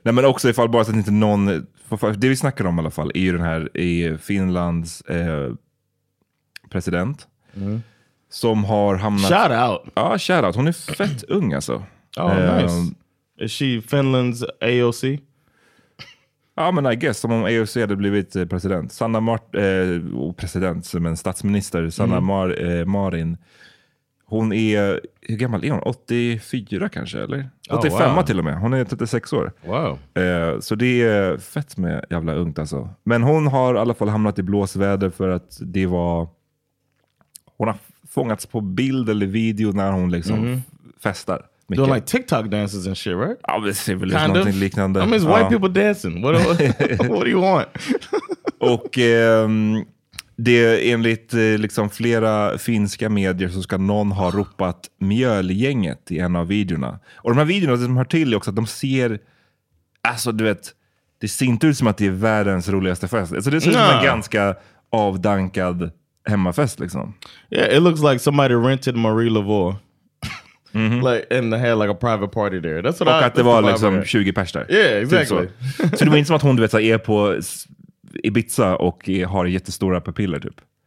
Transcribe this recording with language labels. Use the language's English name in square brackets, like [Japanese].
[Swedish] Nej, men också ifall bara att inte någon, för det vi snackar om i alla fall, är ju den här i Finlands president, som har hamnat... [English] Shout out! [Swedish] Ja, shout out. Hon är fett ung alltså. [English] Oh, nice. Is she Finland's AOC? [Swedish] Ja, men [English] I guess, [Swedish] som om AOC hade blivit president. Sanna president, men statsminister, Sanna Marin. Hon är, hur gammal är hon? 84 kanske, eller? 85 till och med. Hon är 36 år. [English] Wow. [Swedish] Så det är fett med jävla ungt alltså. Men hon har i alla fall hamnat i blåsväder för att det var... Hon har fångats på bild eller video när hon liksom festar. Mycket. [English] Doing like TikTok dances and shit, right? Obviously, but there's nothing [Swedish] liknande. [English] I mean, it's white people dancing. What do you want? [Swedish] Och det är enligt liksom flera finska medier så ska någon ha ropat mjölgänget i en av videorna. Och de här videorna som hör till är också att de ser... Alltså, du vet, det ser inte ut som att det är världens roligaste fest. Alltså, det ser ut som en ganska avdankad hemmafest, liksom. [English] Yeah, it looks like somebody rented Marie Laveau. Mm-hmm. Like, and they had like a private party there. That's what [Swedish] och [English] I, [Swedish] att det var liksom 20 pers där. [English] Yeah, exactly. [Swedish] Typ så det var inte som att hon, du vet, är på Ibiza och har jättestora papiller typ.